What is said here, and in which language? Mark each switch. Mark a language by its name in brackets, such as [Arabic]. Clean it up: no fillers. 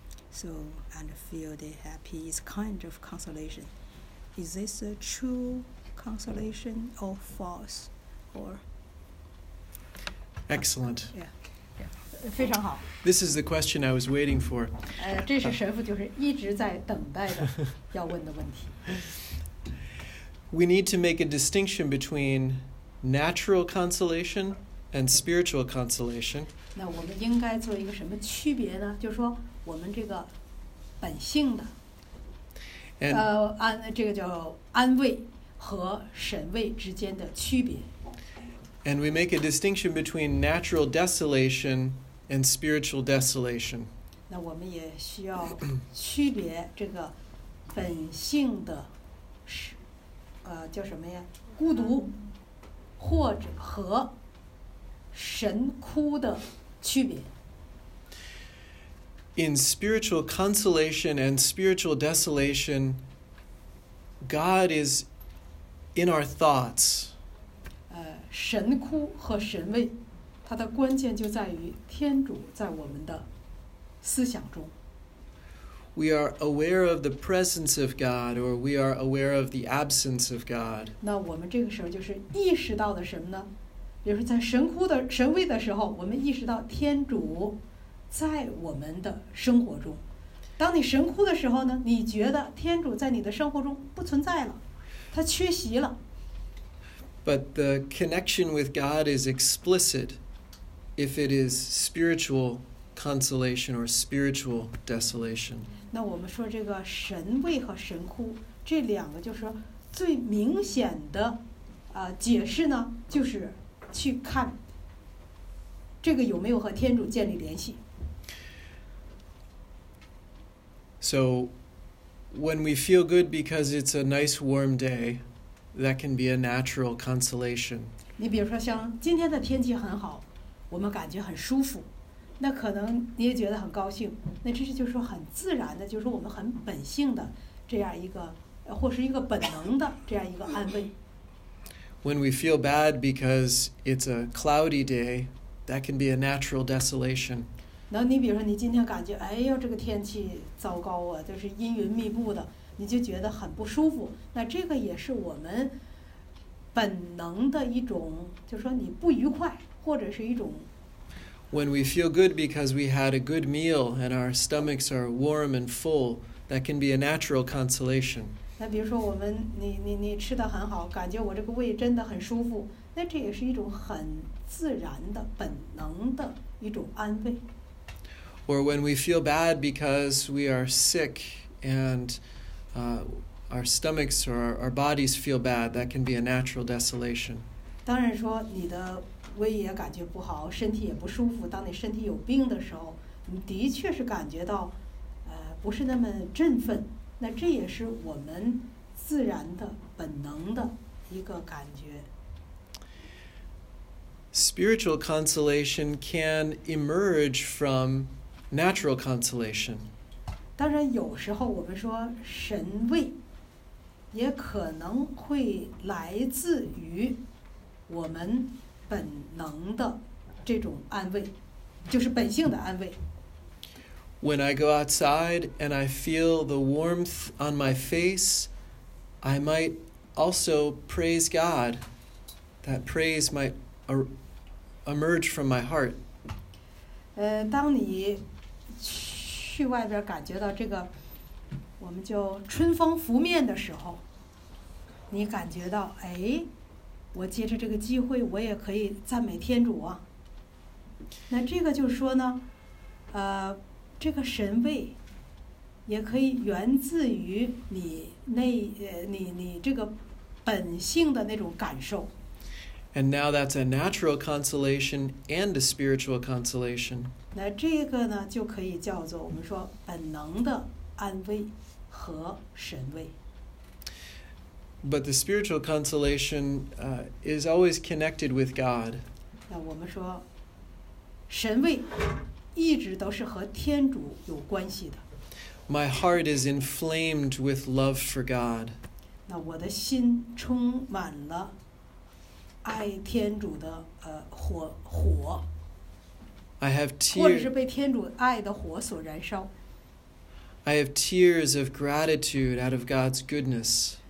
[English] So and feel the happy is kind of consolation. Is this a true consolation or false? Or excellent. [Chinese] Yeah, 非常好。 [English] This is the question I was waiting for. [Chinese] 这是神父就是一直在等待的要问的问题。 [English] We need to make a distinction between natural consolation and spiritual consolation. [Chinese] 那我们应该做一个什么区别呢？就是说我们这个本性的。这个叫安慰和神慰之间的区别。 [English] And we make a distinction between natural desolation and spiritual desolation. [Chinese] 那我们也需要区别这个本性的叫什么呀？孤独或者和神哭的区别。 [English] In spiritual consolation and spiritual desolation, God is in our thoughts. [Chinese] 神哭和神慰，它的关键就在于天主在我们的思想中。 [English] We are aware of the presence of God, or we are aware of the absence of God. [Chinese] 那我们这个时候就是意识到的什么呢？比如说在神哭的神慰的时候，我们意识到天主。在我们的生活中，当你神哭的时候呢，你觉得天主在你的生活中不存在了，他缺席了。 [English] But the connection with God is explicit if it is spiritual consolation or spiritual desolation. [Chinese] 那我们说这个神慰和神哭这两个，就是说最明显的解释呢，就是去看这个有没有和天主建立联系。 [English] So, when we feel good because it's a nice warm day, that can be a natural consolation. [Chinese] 你比如说像今天的天气很好，我们感觉很舒服，那可能你也觉得很高兴，那这是就是说很自然的，就是我们很本性的这样一个，或是一个本能的这样一个安慰。 [English] When we feel bad because it's a cloudy day, that can be a natural desolation. [Chinese] 那你比如说你今天感觉哎呦这个天气糟糕啊，就是阴云密布的，你就觉得很不舒服，那这个也是我们本能的一种，就是说你不愉快或者是一种 [English] when we feel good because we had a good meal and our stomachs are warm and full, that can be a natural consolation. [Chinese] 那比如说我们你吃得很好，感觉我这个胃真的很舒服，那这也是一种很自然的本能的一种安慰。 [English] Or when we feel bad because we are sick and our stomachs or our bodies feel bad, that can be a natural desolation. [Chinese] 当然说你的胃也感觉不好，身体也不舒服，当你身体有病的时候，你的确是感觉到不是那么振奋，那这也是我们自然的本能的一个感觉。 [English] Spiritual consolation can emerge from natural consolation. [Chinese] 当然有时候我们说神慰也可能会来自于我们本能的这种安慰，就是本性的安慰。 [English] When I go outside and I feel the warmth on my face, I might also praise God. That praise might emerge from my heart. [Chinese] 当你去外边感觉到这个，我们叫春风拂面的时候，你感觉到，哎，我借着这个机会，我也可以赞美天主啊。那这个就是说呢，这个神慰也可以源自于你这个本性的那种感受。 [English] And now that's a natural consolation and a spiritual consolation. [Chinese] 那这个呢，就可以叫做我们说本能的安慰和神慰。 [English] But the spiritual consolation is always connected with God. [Chinese] 那我们说神慰一直都是和天主有关系的。 [English] My heart is inflamed with love for God. [Chinese] 那我的心充满了爱天主的火。 [English] I have tears. [Chinese] 或者是被天主爱的火所燃烧。 [English] I have tears of gratitude out of God's goodness.